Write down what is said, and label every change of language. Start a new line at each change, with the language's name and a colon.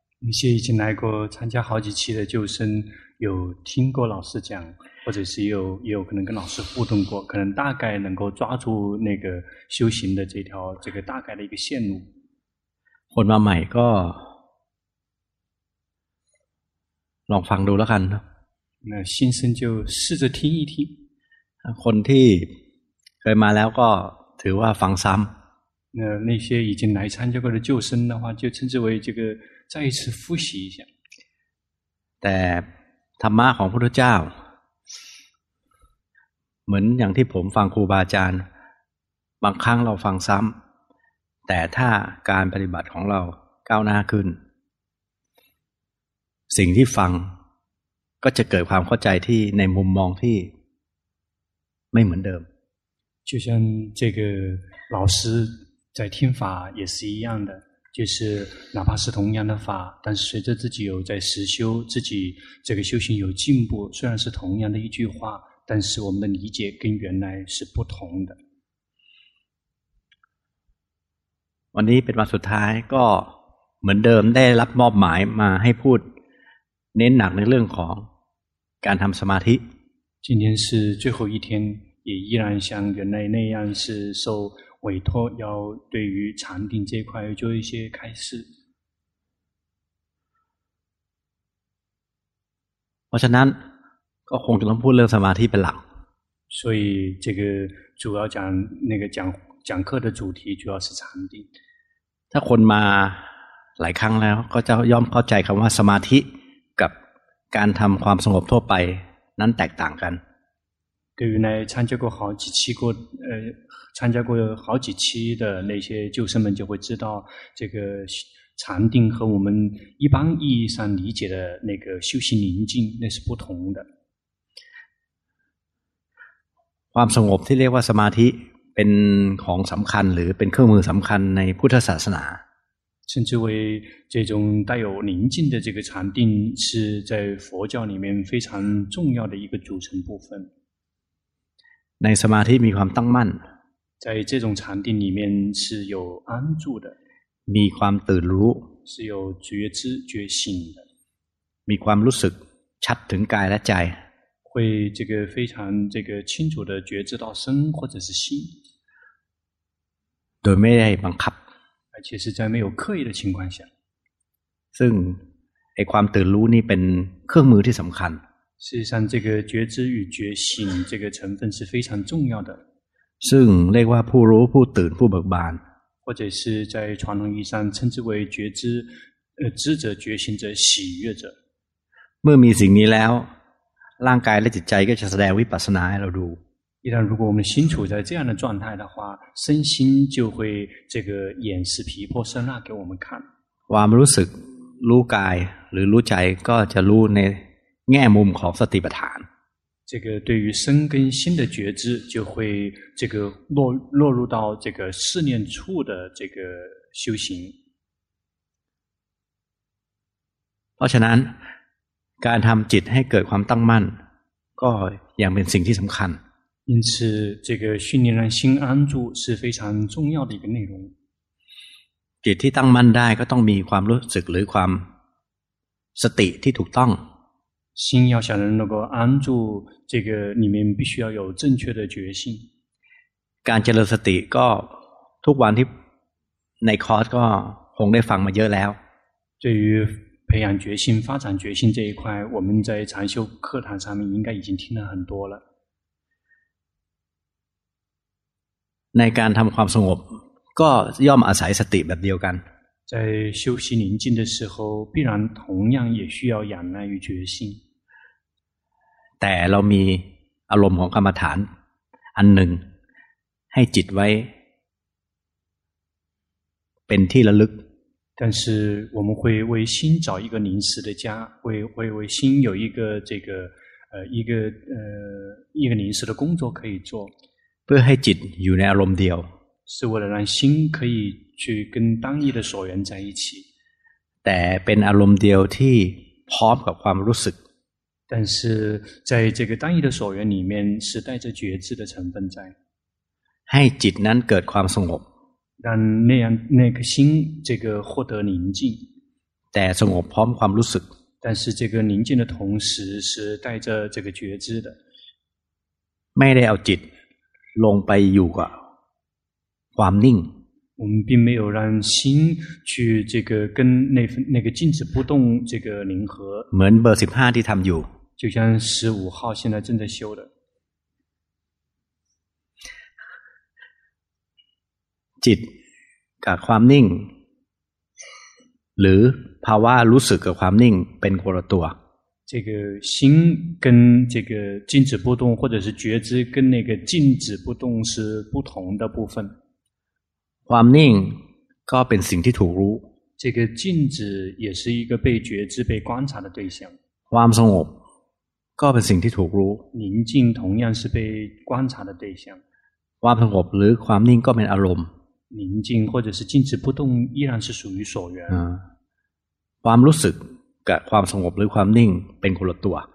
Chinese: 一些已经来过参加好几期的救生有听过老师讲或者是有可能跟老师互动过可能大概能够抓住那个修行的这条这个大概的一个线路
Thai: คนมาใหม่ก็ลองฟังดูแล้วกัน นะ
Chinese: 那新生就试着听一听
Thai: คนที่เคยมาแล้วก็ถือว่าฟังซ้ำ
Chinese: 那些已经来参加过的救生的话就称之为这个再一次复习一下
Thai: แต่ธรรมะของพระพุทธเจ้าเหมือนอย่างที่ผมฟังครูบาอาจารย์บางครั้งเราฟังซ้ำแต่ถ้าการปฏิบัติของเราก้าวหน้าขึ้นสิ่งที่ฟังก็จะเกิดความเข้าใจที่ในมุมมองที่ไม่เหมือนเดิม
Chinese: 就像这个老师在听法也是一样的就是哪怕是同样的法但是随着自己有在实修自己这个修行有进步虽然是同样的一句话但是我们的理解跟原来是不同的
Thai: วันนี้เป็นวันสุดท้ายก็เหมือนเดิมได้รับมอบหมายมาให้พูดเน้นหนักในเรื่องของการทำสมาธิ
Chinese: 今天是最后一天也依然像原来那样是受委托要对于禅定这块做一些开示
Thai: เพราะฉะนั้นก็คงจะต้องพูดเรื่องสมาธิเป็นหลัก
Chinese: 所以这个主要讲那个讲课的主题主要是禅定
Thai: ถ้าคนมาหลายครั้งแล้วก็จะย่อมเข้าใจคำว่าสมาธิกับการทำความสงบทั่วไปนั้นแตกต่างกัน คือใน
Chinese: 参加过好几期过参加过好几期的那些救生们就会知道这个禅定和我们一般意义上理解的那个修行宁静那是不同的
Thai: ความสงบที่เรียกว่าสมาธิเป็นของสำคัญหรือเป็นเครื่องมือสำคัญในพุทธศาสนา
Chinese: 称之为这种带有宁静的这个禅定是在佛教里面非常重要的一个组成部分
Thai: ในสมาธิมีความตั้งมั่น
Chinese: 在这种禅定里面是有安住的
Thai: มีความตื่นรู้
Chinese: 是有觉知觉醒的
Thai: มีความรู้สึกชัดถึงกายและใจ
Chinese: 会这个非常这个清楚的觉知到身或者是心
Thai: โดยไม่ได้บังคับ
Chinese: 而且是在没有刻意的情况下
Thai: ซึ่งไอความตื่นรู้นี่เป็นเครื่องมือที่สำคัญ
Chinese: 事实上这个觉知与觉醒这个成分是非常重要的
Thai: ซึ่งเรียกว่าผู้รู้ผู้ตื่นผู้เบิกบาน
Chinese: 或者是在传统意义上称之为觉知知者觉醒者喜悦者
Thai: เมื่อมีสิ่งนี้แล้วร่างกายและจิตใจก็จะแสดงวิปัสสนาให้เราดู
Chinese: 一旦如果我们心处在这样的状态的话身心就会这个演示毗婆舍那给我们看
Thai: ความรู้สึกรู้กายหรือรู้ใจก็จะรู้ในแง่มุมของสติปัฏฐาน
Chinese: 这个对于身跟心的觉知就会这个落入到这个四念处的这个修行
Thai: เพราะฉะนั้นการทำจิตให้เกิดความตั้งมั่นก็ยังเป็นสิ่งที่สำคัญ
Chinese: 因此这个训练让心安住是非常重要的一个内容
Thai: จิตที่ตั้งมั่นได้ก็ต้องมีความรู้สึกหรือความสติที่ถูกต้อง
Chinese: 心要想能够安住这个里面必须要有正确的决心
Thai: การเจริญสติก็ทุกวันที่ในคอร์สก็คงได้ฟังมาเยอะแล้ว
Chinese: 对于培养决心发展决心这一块我们在禅修课堂上面应该已经听了很多了
Thai: ในการทำความสงบก็ย่อมอาศัยสติแบบเดียวกัน
Chinese: 在修习宁静的时候必然同样也需要仰赖于觉性
Thai: แต่เรามีอารมณ์ของกรรมฐานอันหนึ่งให้จิตไว้เป็นที่ระลึก
Chinese: 但是我们会为心找一个临时的家为心有一个这个一个临时的工作可以做
Thai: เพื่อให้จิตอยู่ในอารมณ์เดียว
Chinese: 是为了让心可以去跟当一的所缘在一起
Thai: แต่เป็นอารมณ์เดียวที่พร้อมกับความรู้สึก
Chinese: 但是在这个当一的所缘里面是带着觉知的成分在
Thai: ให้จิตนั้นเกิดความสงบ
Chinese: 让那样那颗心这个获得宁静
Thai: แต่สงบพร้อมความรู้สึก
Chinese: 但是这个宁静的同时是带着这个觉知的
Thai: ไม่ได้เอาจิตลงไปอยู่กับความนิ่ง
Chinese: 我们并没有让心去这个跟那个静止不动这个凝合
Thai: เหมือนเบอร์15ที่ทำอยู่
Chinese: 就像15号现在正在修的
Thai: จิตกับความนิ่งหรือภาวะรู้สึกกับความนิ่งเป็นคนละตัว
Chinese: 这个心跟这个静止不动或者是觉知跟那个静止不动是不同的部分
Thai: ความนิ่งก็เป็นสิ่งที่ถูกรู้
Chinese: 这个静止也是一个被觉知被观察的对象
Thai: ความสงบก็เป็นสิ่งที่ถูกรู้
Chinese: 宁静同样是被观察的对象
Thai: ความสงบหรือความนิ่งก็เป็นอารมณ์
Chinese: 宁静或者是静止不动依然是属于所缘
Thai: ความรู้สึกกับความสงบหรือความนิ่งเป็นคนละตัว